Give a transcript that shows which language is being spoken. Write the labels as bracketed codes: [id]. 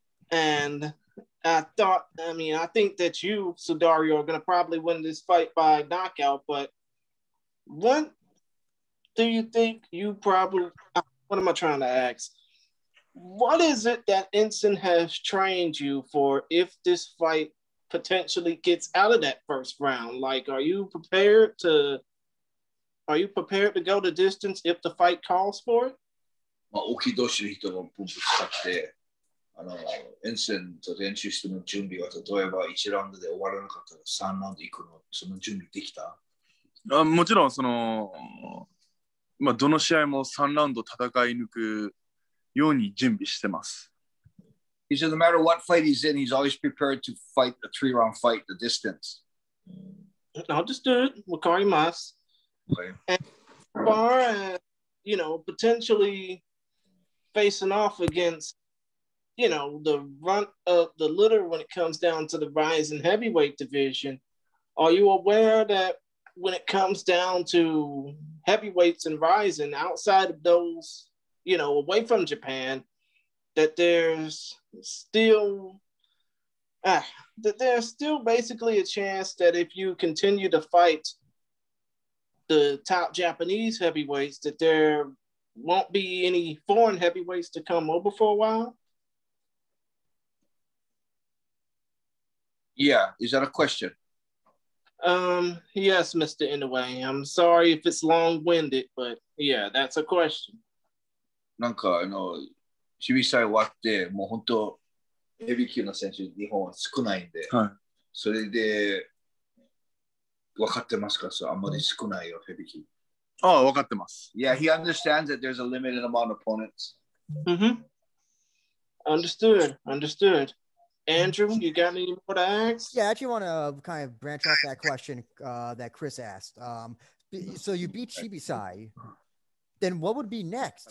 [en] And I thought, I mean, I think that you, Sudario, are going to probably win this fight by knockout, but what do you think you probably, what am I trying to ask? What is it that Enson has trained you for if this fight potentially gets out of that first round? Like, are you prepared to go the distance if the fight calls for it? [ja] まあ、大きい同士の人のポンプ使って、Enson と練習しての準備は、例えば1ラウンドで終わらなかったら3ラウンド行くの、その準備できた？あ、もちろん、その、まあ、どの試合も3ラウンド戦い抜く、ように準備してます。 [en] He said, no matter what fight he's in, he's always prepared to fight a three-round fight the distance. Understood. Wakarimasu. Okay. And as far as, you know, potentially facing off against, you know, the run of the litter when it comes down to the rising heavyweight division, are you aware that when it comes down to heavyweights and rising, outside of those, you know, away from Japan, that there's still basically a chance that if you continue to fight the top Japanese heavyweights, that there won't be any foreign heavyweights to come over for a while? Yeah, is that a question? Yes, Mr. Inoue. I'm sorry if it's long-winded, but yeah, that's a question. [ja] なんか、シビサイ終わって、もう本当、ヘビー級の選手、日本は少ないんで、はい、それで、分かってますか？そう、あんまり少ないよ、ヘビー級。ああ、分かってます。 [en] Yeah, he understands that there's a limited amount of opponents. Mm-hmm. Understood, understood. Andrew, you got any more to ask? Yeah, I actually want to kind of branch off that question that Chris asked. So you beat Shibisai. Then what would be next?